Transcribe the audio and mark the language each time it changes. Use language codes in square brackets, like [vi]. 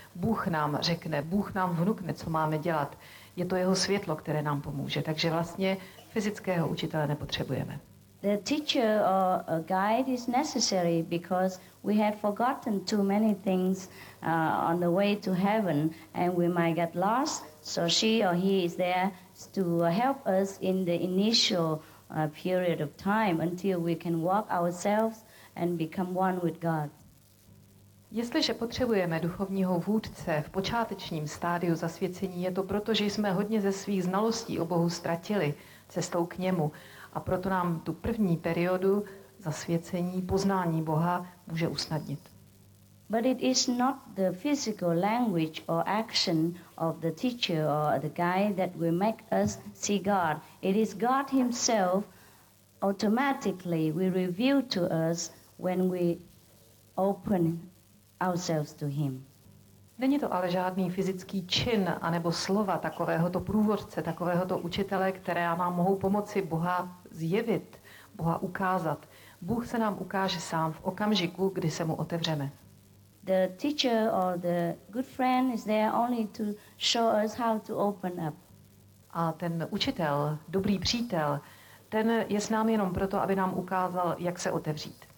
[cs] Bůh nám řekne, Bůh nám vnukne, co máme dělat. Je to jeho světlo, které nám pomůže. Takže vlastně fyzického učitele nepotřebujeme. [en] The teacher or a guide is necessary because we have forgotten too many things on the way to heaven and we might get lost. So she or he is there to help us in the initial period of time until we can walk ourselves and become one with God. [cs] Jestliže potřebujeme duchovního vůdce v počátečním stádiu zasvěcení, je to proto, že jsme hodně ze svých znalostí o Bohu ztratili cestou k němu. A proto nám tu první periodu zasvěcení, poznání Boha může usnadnit. [en] But it is not the physical language or action of the teacher or the guide that will make us see God. It is God himself automatically will reveal to us when we open ourselves to him. [cs] Není to ale žádný fyzický čin anebo slova takovéhoto průvodce, takovéhoto učitele, které nám mohou pomoci Boha zjevit, Boha ukázat. Bůh se nám ukáže sám v okamžiku, kdy se mu otevřeme. [en] the teacher or the good friend is there only to show us how to open up. [cs] A ten učitel, dobrý přítel, ten je s námi jenom proto, aby nám ukázal, jak se otevřít.